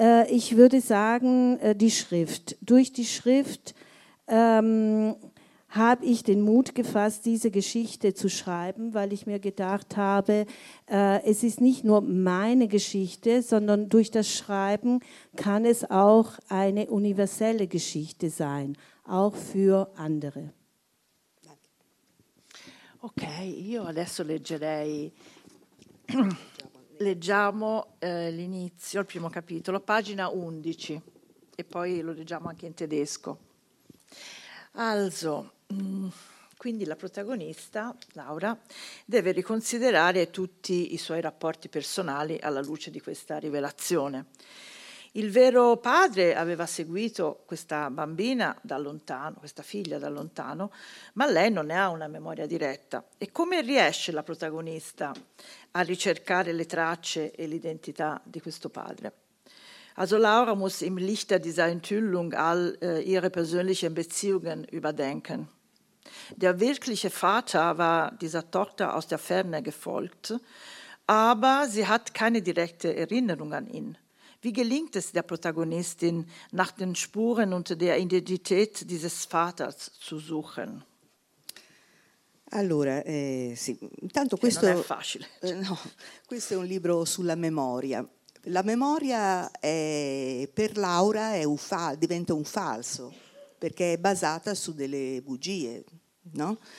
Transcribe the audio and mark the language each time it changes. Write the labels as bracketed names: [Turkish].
[German] Ich würde sagen, die Schrift. Durch die Schrift habe ich den Mut gefasst, diese Geschichte zu schreiben, weil ich mir gedacht habe, es ist nicht nur meine Geschichte, sondern durch das Schreiben kann es auch eine universelle Geschichte sein, auch für andere. [Italian] Ok, io adesso leggerei, leggiamo l'inizio, il primo capitolo, pagina 11, e poi lo leggiamo anche in tedesco. Also, quindi la protagonista, Laura, deve riconsiderare tutti i suoi rapporti personali alla luce di questa rivelazione. Il vero padre aveva seguito questa bambina da lontano, questa figlia da lontano, ma lei non ne ha una memoria diretta. E come riesce la protagonista a ricercare le tracce e l'identità di questo padre? [German] Also Laura muss im Lichte dieser Enthüllung all ihre persönlichen Beziehungen überdenken. Der wirkliche Vater war dieser Tochter aus der Ferne gefolgt, aber sie hat keine direkte Erinnerung an ihn. Wie gelingt es der Protagonistin, nach den Spuren und der Identität dieses Vaters zu suchen? [Italian] Allora, sì, intanto questo non è facile. No, questo è un libro sulla memoria. La memoria è, per Laura è un diventa un falso, perché è basata su delle bugie, no?